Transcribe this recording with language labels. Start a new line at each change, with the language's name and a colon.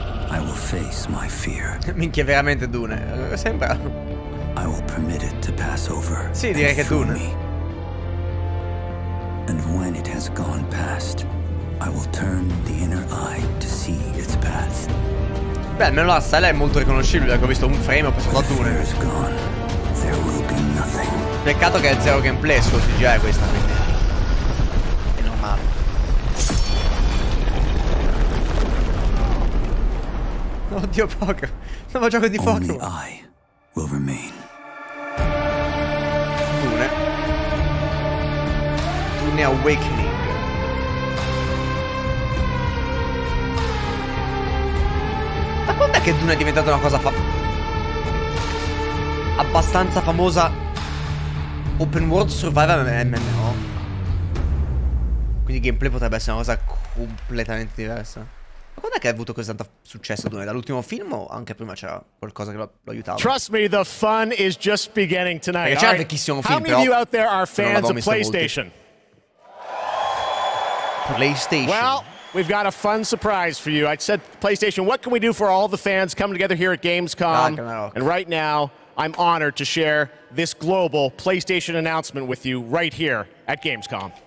English: I will face my fear.
Italian: Minchia, veramente Dune. Sembra.
English: I will permit it to pass over.
Italian: Sì, direi che Dune.
English: Me. And when it has gone past, I will turn the inner eye to see its path.
Italian: Beh, almeno la stella è molto riconoscibile, ho visto un frame e ho pensato a Dune. Peccato che è zero gameplay, solo CGI questa, quindi è normale. Oddio, poco. Non ho gioco di fuoco.
English: Only I will remain. Dune. Dune Awakening.
Italian: Quando è che Dune è diventata una cosa abbastanza famosa? Open World Survival MMO. Quindi gameplay potrebbe essere una cosa completamente diversa. Ma quando è che ha avuto così tanto successo Dune? Dall'ultimo film o anche prima c'era qualcosa che lo aiutava?
English: Trust me, the fun is just beginning tonight.
Italian: Perché c'era un vecchissimo film,
English: how many of you out there are fans of PlayStation? PlayStation. Well, we've got a fun surprise for you. I said PlayStation, what can we do for all the fans coming together here at Gamescom? Ragnarok. And right now, I'm honored to share this global PlayStation announcement with you right here at Gamescom.